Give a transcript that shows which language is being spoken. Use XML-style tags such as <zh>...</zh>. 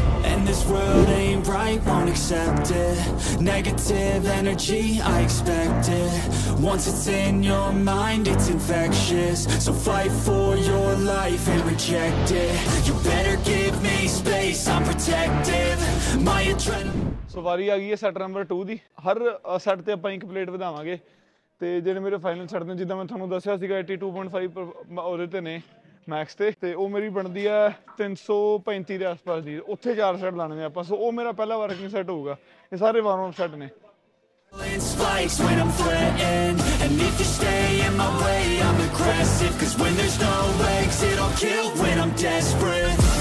<en>And this world ain't right, won't accept it. Negative energy, I expect it. Once it's in your mind, it's infectious. So fight for your life and reject it. You better give me space, I'm protective. My adrenaline.</en> <pa>ਸੋ ਵਾਰੀ ਆ ਗਈ ਹੈ set number 2 ਦੀ, ਹਰ set 'ਤੇ ਆਪਾਂ ਇੱਕ plate ਵਧਾਵਾਂਗੇ, ਅਤੇ ਜਿਹੜੇ ਮੇਰੇ ਫਾਈਨਲ ਸੈੱਟ ਨੇ ਜਿੱਦਾਂ ਮੈਂ ਤੁਹਾਨੂੰ ਦੱਸਿਆ ਸੀਗਾ 82.5 ਉਹਦੇ 'ਤੇ ਨੇ ਮੈਕਸ 'ਤੇ, ਅਤੇ ਉਹ ਮੇਰੀ ਬਣਦੀ ਹੈ 335 ਦੇ ਆਸ ਪਾਸ ਦੀ, ਉੱਥੇ 4 ਸੈੱਟ ਲਾਉਣੇ ਨੇ ਆਪਾਂ। ਸੋ ਉਹ ਮੇਰਾ ਪਹਿਲਾ ਵਰਕਿੰਗ ਸੈੱਟ ਹੋਊਗਾ, ਇਹ ਸਾਰੇ ਵਾਰਮ ਅਪ ਸੈੱਟ ਨੇ।</pa> <en>It spikes when I'm threatened, and if you stay in my way I'm aggressive, 'cause when there's no legs it'll kill when I'm desperate.</en>